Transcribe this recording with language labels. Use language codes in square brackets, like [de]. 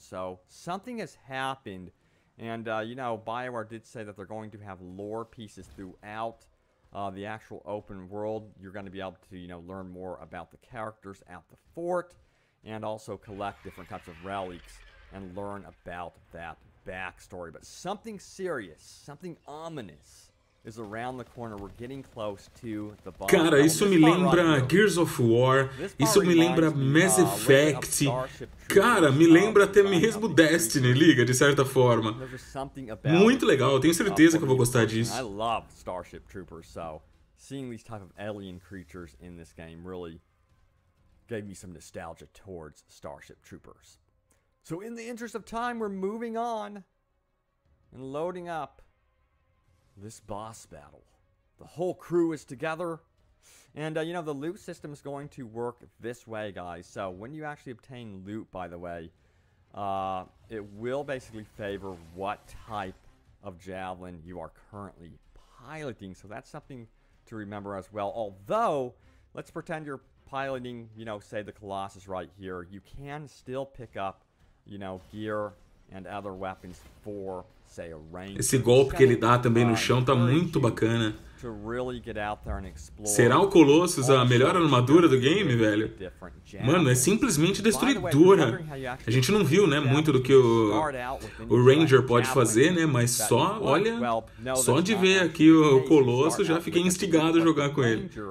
[en] So something has happened. And, you know, BioWare did say that they're going to have lore pieces throughout the actual open world. You're going to be able to, you know, learn more about the characters at the fort and also collect different types of relics and learn about that backstory. But something serious, something ominous is around the corner. We're getting close to the bottom. [pt] Cara, isso me lembra Gears of War, isso me lembra Mass Effect, cara, me lembra até mesmo Destiny, liga, de certa forma. Muito legal, tenho certeza que eu vou gostar disso. [en] I love Starship Troopers, so seeing these type of alien creatures in this game really gave me some nostalgia towards Starship Troopers. So in the interest of time, we're moving on and loading up this boss battle. The whole crew is together. And, you know, the loot system is going to work this way, guys. So when you actually obtain loot, by the way, it will basically favor what type of javelin you are currently piloting. So that's something to remember as well. Although, let's pretend you're piloting, you know, say the Colossus right here. You can still pick up, you know, gear and other weapons for, say, a ranger. [pt] Esse golpe que ele dá também no chão tá muito bacana. [en] Really get out there and explore. [pt] Será o Colossus a melhor armadura do game, velho? Mano, é simplesmente destruidora. A gente não viu, né, muito do que o Ranger pode fazer, né? Mas só, olha, só de ver aqui o Colossus, já fiquei instigado a jogar com ele.